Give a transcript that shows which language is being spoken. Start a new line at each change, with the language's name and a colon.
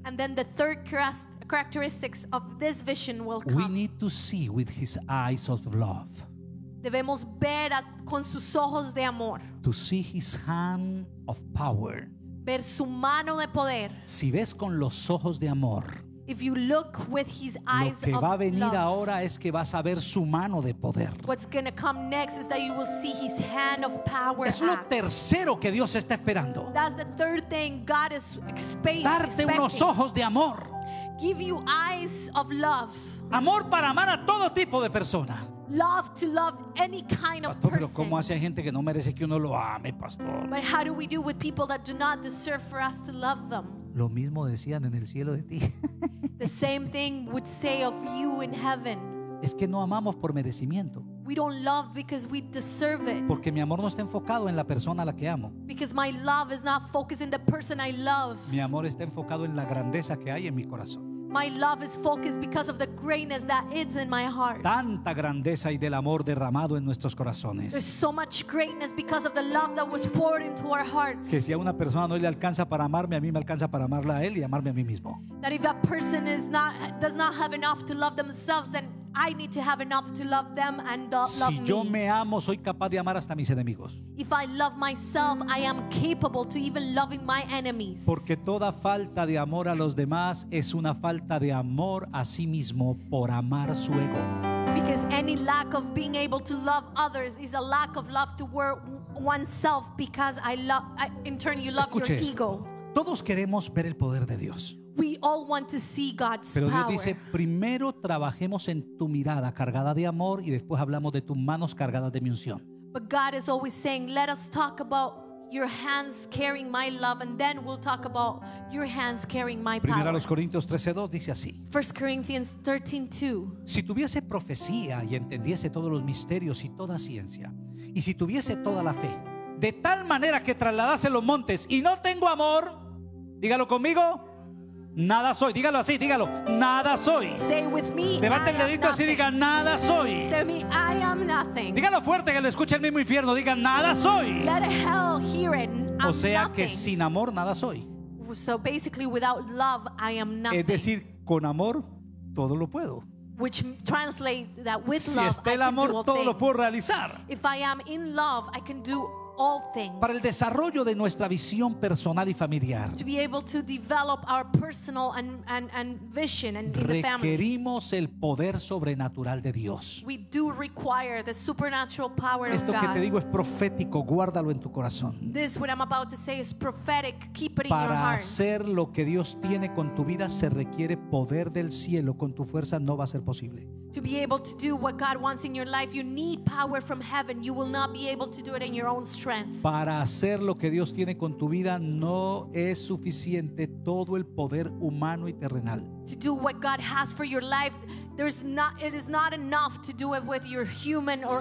English: And then the third characteristics of this vision will come. We need to see with his eyes of love.
Spanish: Debemos ver con sus ojos de amor.
English: To see his hand of power.
Spanish: Ver su mano de poder. Si ves con los ojos de amor,
English: if you look with his eyes of love,
Spanish: lo que va a venir ahora es que vas a ver su mano de poder.
English: What's going to come next is that you will see his hand of power.
Spanish: Es lo tercero que Dios está esperando.
English: That's the third thing God is expecting.
Spanish: Darte unos ojos de amor.
English: Give you eyes of love.
Spanish: Amor para amar a todo tipo de persona.
English: Love to love any kind of
Spanish: pastor,
English: person.
Spanish: Pero cómo hace gente que no merece que uno lo ame, pastor.
English: But how do we do with people that do not deserve for us to love them?
Spanish: Lo mismo decían en el cielo de ti.
English: The same thing would say of you in heaven.
Spanish: Es que no amamos por merecimiento.
English: We don't love because we deserve it.
Spanish: Porque mi amor no está enfocado en la persona a la que amo.
English: Because my love is not focused in the person I love.
Spanish: Mi amor está enfocado en la grandeza que hay en mi corazón.
English: My love is focused because of the greatness that is in my heart.
Spanish: Tanta grandeza y del amor derramado en nuestros corazones.
English: There's so much greatness because of the love that was poured into our hearts.
Spanish: Que si a una persona no le alcanza para amarme, a mí me alcanza para amarla a él y amarme a mí mismo.
English: That if a person does not have enough to love themselves, then I need to have enough to love them and love me.
Spanish: Si yo me amo, soy capaz de amar hasta mis enemigos.
English: If I love myself, I am capable to even loving my enemies.
Spanish: Porque toda falta de amor a los demás es una falta de amor a sí mismo por amar su ego.
English: Because any lack of being able to love others is a lack of love to oneself because
Spanish: Escuche
English: your ego.
Spanish: Todos queremos ver el poder de Dios.
English: We all want to see God's
Spanish: Pero Dios
English: power.
Spanish: Dice, primero trabajemos en tu mirada cargada de amor y después hablamos de tus manos cargadas de mi unción.
English: But God is always saying, let us talk about your hands carrying my love and then we'll talk about your hands carrying my
Spanish: Primera
English: power.
Spanish: A los Corintios 13:2 dice así.
English: 1 Corinthians 13:2.
Spanish: Si tuviese profecía y entendiese todos los misterios y toda ciencia, y si tuviese toda la fe, de tal manera que trasladase los montes y no tengo amor, dígalo conmigo. Nada soy, dígalo así, dígalo, nada soy.
English: Say with me,
Spanish: levante el dedito así, diga nada soy.
English: Say me, I am nothing.
Spanish: Dígalo fuerte que lo escuche el mismo infierno, diga nada soy.
English: Let hell hear it.
Spanish: O sea
English: nothing.
Spanish: Que sin amor nada soy.
English: So basically without love I am nothing.
Spanish: Es decir, con amor todo lo puedo.
English: Which translate that with
Spanish: si
English: love
Spanish: está el amor,
English: I can do all
Spanish: todo
English: things.
Spanish: Todo lo puedo realizar.
English: If I am in love I can do all things.
Spanish: Para el desarrollo de nuestra visión personal y familiar.
English: To be able to develop our personal and vision and in the family.
Spanish: Requerimos el poder sobrenatural de Dios.
English: We do require the supernatural power
Spanish: Esto
English: of God.
Spanish: Esto que te digo es profético, guárdalo en tu corazón.
English: This what I'm about to say is prophetic, keep it in
Spanish: Para
English: your heart.
Spanish: Para hacer lo que Dios tiene con tu vida se requiere poder del cielo, con tu fuerza no va a ser posible.
English: To be able to do what God wants in your life, you need power from heaven. You will not be able to do it in your own strength.
Spanish: Para hacer lo que Dios tiene con tu vida, no es suficiente todo el poder humano y terrenal.
English: To do what God has for your life, it is not enough to do it with your human or